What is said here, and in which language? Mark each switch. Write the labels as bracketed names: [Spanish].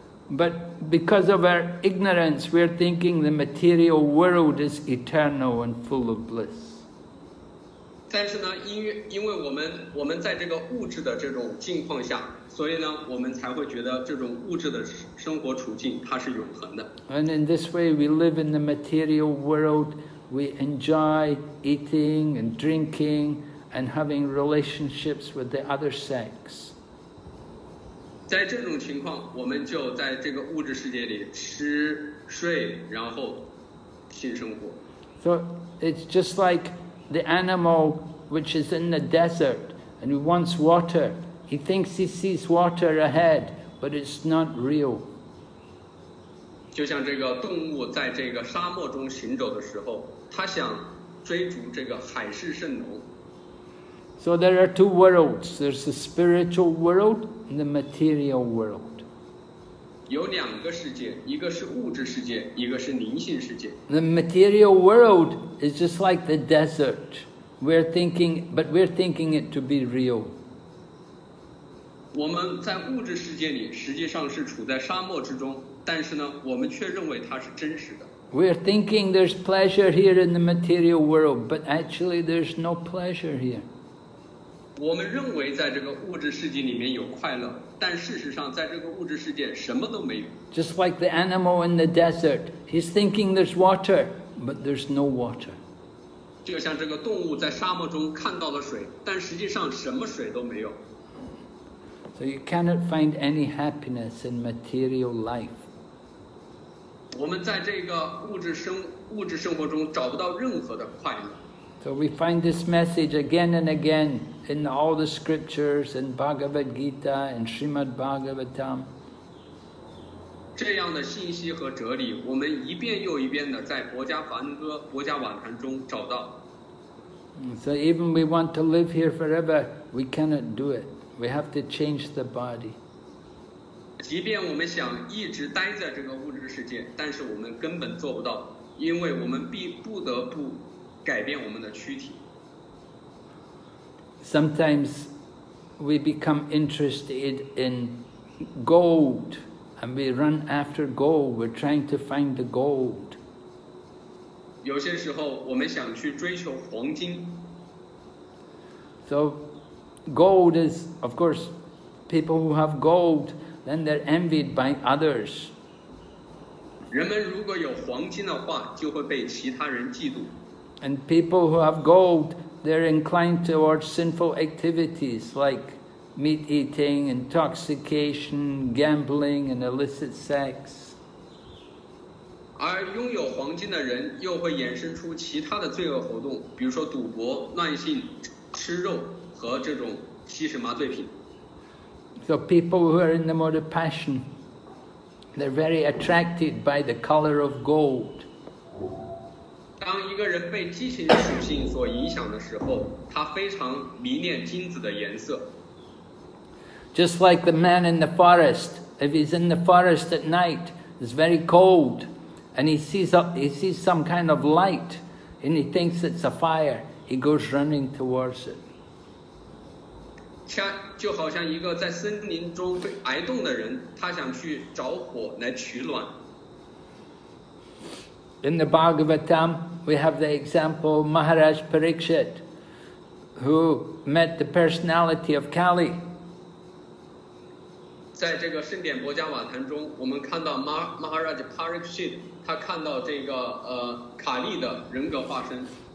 [English] But because of our ignorance, we're thinking the material world is eternal and full of bliss. [Chinese] 但是呢，因为我们在这个物质的这种境况下，所以呢，我们才会觉得这种物质的生活处境它是永恒的。 [English] And in this way, we live in the material world. We enjoy eating and drinking and having relationships with the other sex. [Chinese] 在这种情况，我们就在这个物质世界里吃睡，然后性生活。 [English] So it's just like the animal which is in the desert and he wants water. He thinks he sees water ahead, but it's not real. [Chinese] 就像这个动物在这个沙漠中行走的时候。他想追逐这个海市蜃楼。 [English] So there are two worlds. There's the spiritual world and the material world. [Chinese] 有两个世界，一个是物质世界，一个是灵性世界。 [English] The material world is just like the desert. We're thinking it to be real. [Chinese] 我们在物质世界里实际上是处在沙漠之中，但是呢，我们却认为它是真实的。 [English] We're thinking there's pleasure here in the material world, but actually there's no pleasure here. [Chinese] 我们认为在这个物质世界里面有快乐，但事实上在这个物质世界什么都没有。 [English] Just like the animal in the desert, he's thinking there's water, but there's no water. [Chinese] 就像这个动物在沙漠中看到了水，但实际上什么水都没有。 [English] So you cannot find any happiness in material life. [Chinese] 我们在这个物质生活中找不到任何的快乐。 [English] So we find this message again and again in all the scriptures, in Bhagavad Gita, in Srimad Bhagavatam. [Chinese] 这样的信息和哲理，我们一遍又一遍的在《薄伽梵歌》《薄伽梵谈》中找到。 [English] So even we want to live here forever, we cannot do it. We have to change the body. [Chinese] 即便我们想一直待在这个物质世界，但是我们根本做不到，因为我们不得不改变我们的躯体。 [English] Sometimes we become interested in gold, and we run after gold. We're trying to find the gold. [Chinese] 有些时候，我们想去追求黄金。 [English] So, gold is, of course, people who have gold. Then they're envied by others. [Chinese] 人们如果有黄金的话，就会被其他人嫉妒。 [English] And people who have gold, they're inclined towards sinful activities like meat eating, intoxication, gambling, and illicit sex. [Chinese] 而拥有黄金的人又会衍生出其他的罪恶活动，比如说赌博、乱性、吃肉和这种吸食麻醉品。 [English] So people who are in the mode of passion, they're very attracted by the color of gold. [Chinese] 当一个人被激情属性所影响的时候，他非常迷恋金子的颜色。 [English] Just like the man in the forest, if he's in the forest at night, it's very cold, and he sees some kind of light, and he thinks it's a fire, he goes running towards it. [Chinese] 就好像一个在森林中被挨冻的人，他想去找火来取暖。 [English] In the Bhagavatam, we have the example of Maharaj Parikshit, who met the personality of Kali. [Chinese] 在这个圣典薄伽瓦坛中，我们看到 Maharaj Parikshit， 他看到这个卡利的人格化身。